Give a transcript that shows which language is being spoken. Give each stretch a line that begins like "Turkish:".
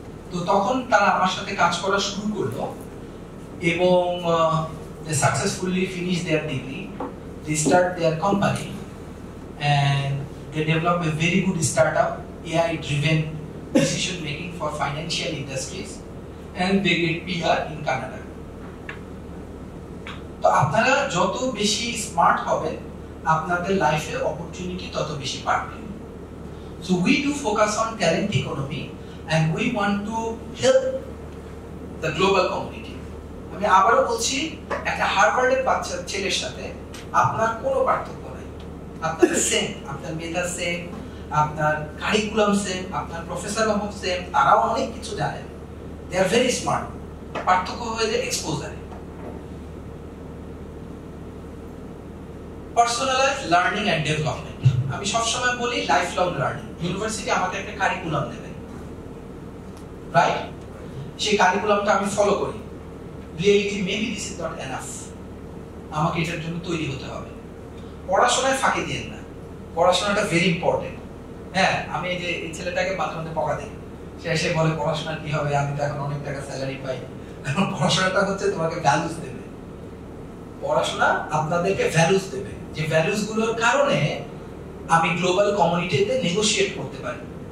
Bangla: তো তখন তারা আমার সাথে কাজ করা শুরু করলো এবং
English: They successfully finish their degree, they start their company, and They develop a very good startup, AI-driven decision-making for financial industries, and they get PR in Canada.
Bangla: So, আপনারা যত বেশি স্মার্ট হবেন আপনাদের লাইফে অপরচুনিটি তত বেশি পাবেন.
English: So we do focus on talent economy and we want to help the global community.
Bangla: আমি আবারও বলছি একটা হার্ভার্ডের বাচ্চা ছেলের সাথে আপনার কোনো পার্থক্য নাই. আপনার সেম, আপনার মেধা সেম, আপনার কারিকুলাম সেম, আপনার প্রফেসর মাহমুদ সেম, তারাও অনেক কিছু জানেন.
English: They are very smart.
Bangla: পার্থক্য হয়েছে এক্সপোজারে.
English: Personalized learning and development.
Bangla: আমি সবসময় বলি
English: lifelong learning.
Bangla: University আমাকে একটা curriculum দেবে,
English: right?
Bangla: সেই curriculumটা আমি follow করি.
English: Really, maybe this is not enough.
Bangla: আমাকে এটার জন্য তৈরি হতে হবে. পড়াশোনায় ফাঁকি দিয়েন না. পড়াশোনাটা
English: very important.
Bangla: হ্যাঁ, আমি এই যে এই ছেলেটাকে মাঝে মধ্যে পকা দিই. সে এসে বলে পড়াশোনা কি হবে, আমি তো এখন অনেক টাকা স্যালারি পাই. কারণ পড়াশোনাটা হচ্ছে তোমাকে values দেবে. পড়াশোনা আপনাদেরকে ভ্যালুস দেবে, যে ভ্যালুস গুলোর কারণে আমি গ্লোবাল কমিউনিটিতে নেগোশিয়েট করতে পারি.